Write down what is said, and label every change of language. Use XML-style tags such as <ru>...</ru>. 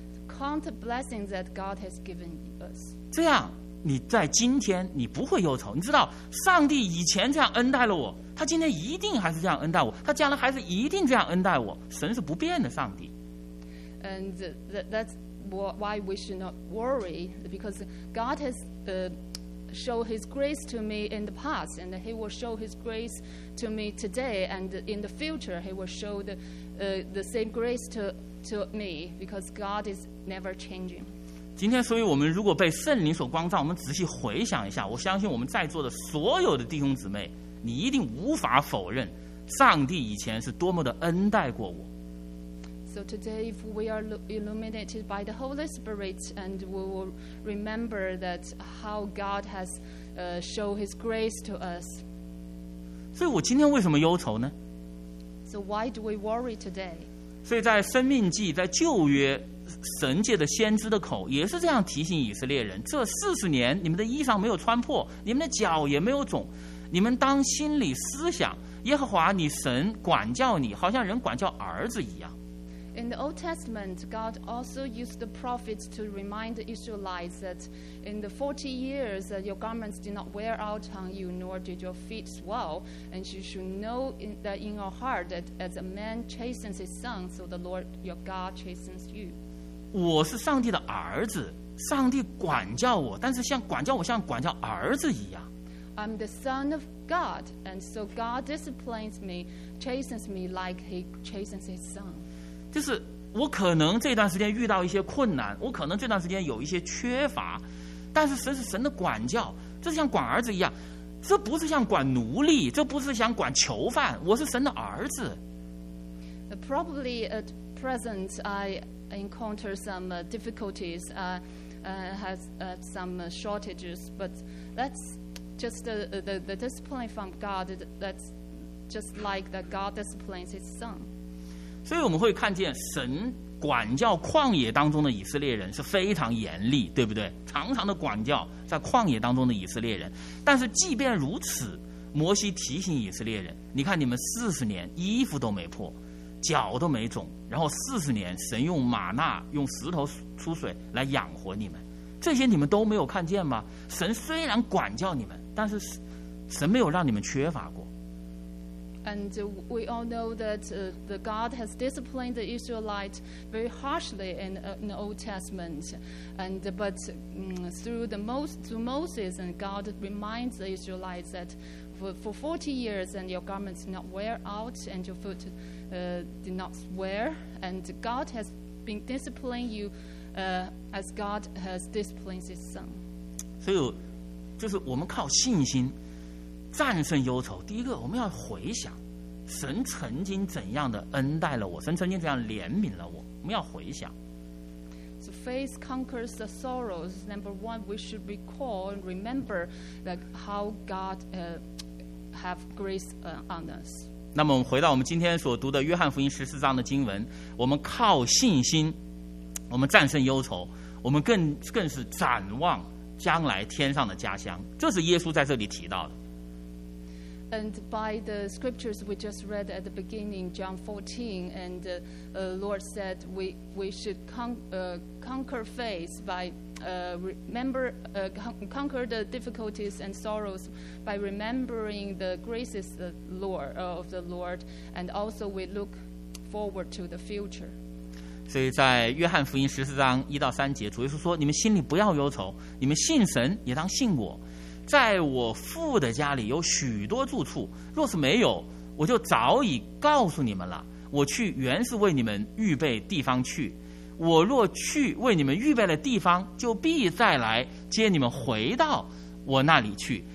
<en>Count the blessings that God has given us.</en> <zh>这样。你在今天你不会忧愁，你知道上帝以前这样恩待了我，他今天一定还是这样恩待我，他将来还是一定这样恩待我，神是不变的上帝。</zh> <en>And that's why we should not worry, because God has showed his grace to me in the past, and he will show his grace to me today, and in the future he will show the same grace to me, because God is never changing.</en> <zh>今天，所以我们如果被圣灵所光照，我们仔细回想一下，我相信我们在座的所有的弟兄姊妹，你一定无法否认，上帝以前是多么的恩待过我。</zh> <en>So today, if we are illuminated by the Holy Spirit, and we will remember that how God has showed His grace to us.</en> <zh>所以我今天为什么忧愁呢</zh> <en>？So why do we worry today?</en> <zh>所以在生命记，在旧约。神界的先知的口也是这样提醒以色列人，这四十年你们的衣裳没有穿破，你们的脚也没有肿，你们当心里思想耶和华你神管教你，好像人管教儿子一样。</zh> <en>In the Old Testament, God also used the prophets to remind the Israelites that in the 40 years your garments did not wear out on you, nor did your feet swell, and you should know that in your heart that as a man chastens his son, so the Lord your God chastens you.</en> <zh>我是上帝的儿子，上帝管教我，但是像管教我像管教儿子一样。</zh> <en>I'm the son of God, and so God disciplines me, chastens me like He chastens His son.</en> <zh>就是我可能这段时间遇到一些困难，我可能这段时间有一些缺乏，但是神是神的管教，这是像管儿子一样，这不是像管奴隶，这不是想管囚犯，我是神的儿子。</zh> <en>Probably at present, I encounter some difficulties, have some shortages, but that's just the discipline from God. That's just like that God disciplines His Son.</en> <zh>所以我们会看见神管教旷野当中的以色列人是非常严厉，对不对？常常的管教在旷野当中的以色列人。但是即便如此，摩西提醒以色列人：你看你们四十年衣服都没破。脚都没肿，然后四十年，神用玛纳、用石头出水来养活你们，这些你们都没有看见吗？神虽然管教你们，但是神没有让你们缺乏过。</zh> <en>And we all know that the God has disciplined the Israelites very harshly in the Old Testament, and but through Moses, and God reminds the Israelites that for 40 years, and your garments did not wear out, and your foot did not swell, and God has been disciplining you as God has disciplined His Son.</en> <zh>所以，就是我们靠信心，战胜忧愁，第一个我们要回想神曾经怎样的恩待了我，神曾经怎样怜悯了我，我们要回想。</zh> <en>So faith conquers the sorrows. Number one, we should recall and remember that how God have grace on us.</en> <zh>那么我们回到我们今天所读的约翰福音十四章的经文，我们靠信心我们战胜忧愁，我们更是展望将来天上的家乡，这是耶稣在这里提到的。</zh> <en>And by the scriptures we just read at the beginning, John 14, and the Lord said we should conquer faith by conquer the difficulties and sorrows by remembering the graces of the Lord, and also we look forward to the future.</en> <zh>所以在约翰福音十四章一到三节，主耶稣说：“你们心里不要忧愁，你们信神也当信我。” 在我父的家里有许多住处，若是没有，我就早已告诉你们了。我去原是为你们预备地方去，我若去为你们预备了地方，就必再来接你们回到我那里去。</zh>